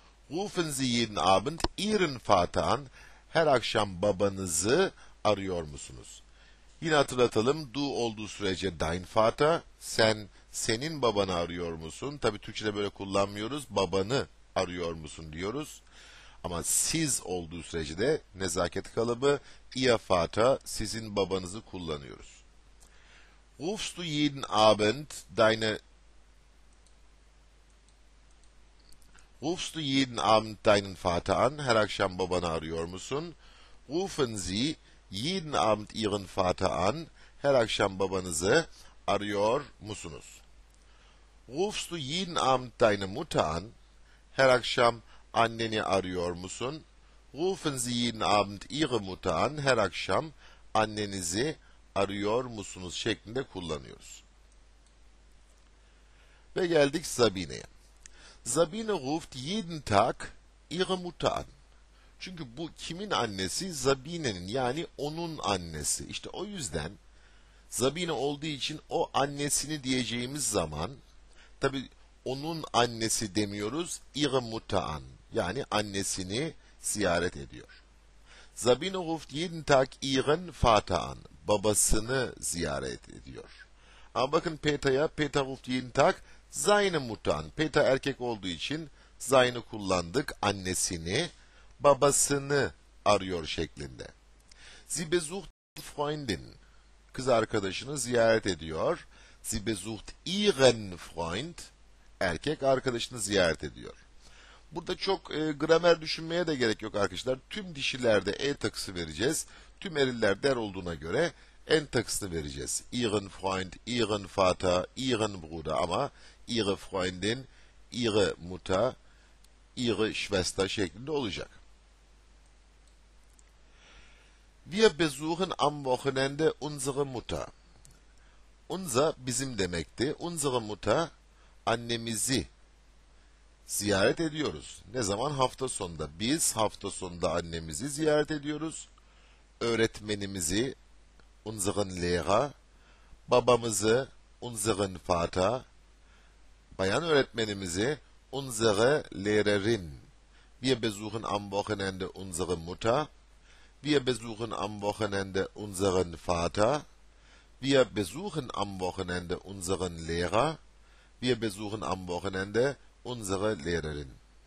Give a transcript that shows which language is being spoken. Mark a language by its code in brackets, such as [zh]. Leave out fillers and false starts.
[de] Rufen Sie jeden Abend Ihren Vater an. [tr] Her akşam babanızı arıyor musunuz? Yine hatırlatalım. Du olduğu sürece [de] dein Vater. [tr] Sen, senin babanı arıyor musun? Tabii Türkçe'de böyle kullanmıyoruz. Babanı arıyor musun diyoruz. Ama siz olduğu sürece de nezaket kalıbı [de] Ihr Vater, [tr] sizin babanızı kullanıyoruz. [de] Rufst du jeden Abend deine... Rufst du jeden Abend deinen Vater an? [tr] Her akşam babanı arıyor musun? [de] Rufen Sie jeden Abend Ihren Vater an, [tr] her akşam babanızı arıyor musunuz? [de] Rufst du jeden Abend deine Mutter an, [tr] her akşam anneni arıyor musun? [de] Rufen Sie jeden Abend Ihre Mutter an, [tr] her akşam annenizi arıyor musunuz şeklinde kullanıyoruz. Ve geldik Sabine'ye. [de] Sabine ruft jeden Tag ihre Mutter an. [tr] Çünkü bu kimin annesi? Sabine'nin, yani onun annesi. İşte o yüzden Sabine olduğu için o annesini diyeceğimiz zaman tabi onun annesi demiyoruz, [de] ihre Mutter an. [tr] Yani annesini ziyaret ediyor. [de] Sabine ruft jeden Tag ihren Vater an. [tr] Babasını ziyaret ediyor. Ama bakın Peter'a, [de] Peter ruft jeden Tag seine Mutter an. [tr] Peter erkek olduğu için seine kullandık, annesini, babasını arıyor şeklinde. [de] Sie besucht ihre Freundin. [tr] Kız arkadaşını ziyaret ediyor. [de] Sie besucht ihren Freund. [tr] Erkek arkadaşını ziyaret ediyor. Burada çok gramer düşünmeye de gerek yok arkadaşlar. Tüm dişilerde e takısı vereceğiz. Tüm eriller der olduğuna göre en takısını vereceğiz. [de] Ihren Freund, ihren Vater, ihren Bruder, ama ihre Freundin, ihre Mutter, ihre Schwester şeklinde olacak. Wir besuchen am Wochenende unsere Mutter. [tr] Unser bizim demekti. [de] Unsere Mutter, [tr] annemizi ziyaret ediyoruz. Ne zaman? Hafta sonunda. Biz hafta sonunda annemizi ziyaret ediyoruz. Öğretmenimizi, [de] unseren Lehrer, [tr] babamızı, [de] unseren Vater, [tr] bayan öğretmenimizi, [de] unsere Lehrerin. Wir besuchen am Wochenende unsere Mutter. Wir besuchen am Wochenende unseren Vater. Wir besuchen am Wochenende unseren Lehrer. Wir besuchen am Wochenende unsere Lehrerin.